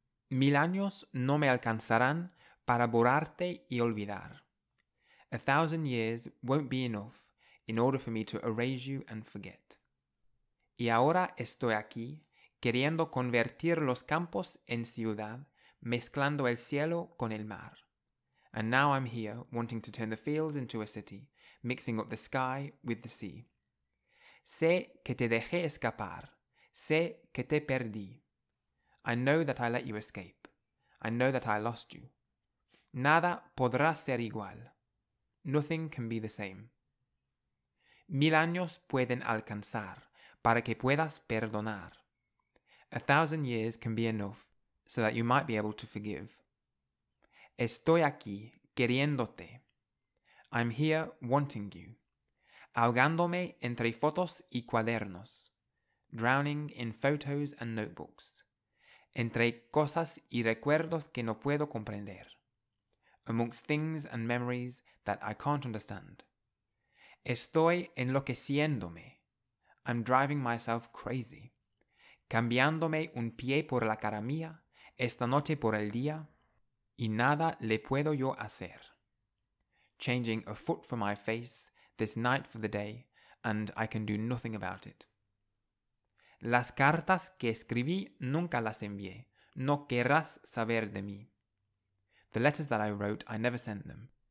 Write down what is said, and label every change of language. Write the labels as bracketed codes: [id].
[es] Mil años no me alcanzarán para borrarte y olvidar. [en] 1,000 years won't be enough in order for me to erase you and forget. [es] Y ahora estoy aquí, queriendo convertir los campos en ciudad, mezclando el cielo con el mar. [en] And now I'm here, wanting to turn the fields into a city, mixing up the sky with the sea. [es] Sé que te dejé escapar. Sé que te perdí. [en] I know that I let you escape. I know that I lost you. [es] Nada podrá ser igual. [en] Nothing can be the same. [es] Mil años pueden alcanzar para que puedas perdonar. [en] 1,000 years can be enough so that you might be able to forgive. [es] Estoy aquí queriéndote. [en] I'm here wanting you. [es] Ahogándome entre fotos y cuadernos. [en] Drowning in photos and notebooks. [es] Entre cosas y recuerdos que no puedo comprender. [en] Amongst things and memories that I can't understand. [es] Estoy enloqueciéndome. [en] I'm driving myself crazy. [es] Cambiándome un pie por la cara mía, esta noche por el día, y nada le puedo yo hacer. [en] Changing a foot for my face, this night for the day, and I can do nothing about it. [es] Las cartas que escribí nunca las envié. No querrás saber de mí. [en] The letters that I wrote, I never sent them.